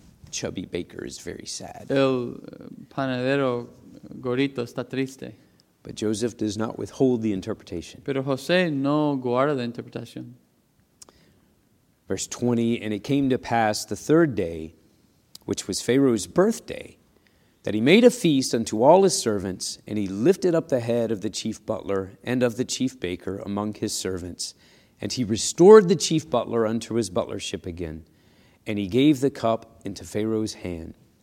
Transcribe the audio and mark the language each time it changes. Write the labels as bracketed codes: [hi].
[en] Chubby Baker is very sad. [es] El panadero gordito está triste. [en] But Joseph does not withhold the interpretation. [es] Pero José no guarda la interpretación. [en] Verse 20, and it came to pass the third day, which was Pharaoh's birthday, that he made a feast unto all his servants, and he lifted up the head of the chief butler and of the chief baker among his servants, and he restored the chief butler unto his butlership again, and he gave the cup into Pharaoh's hand.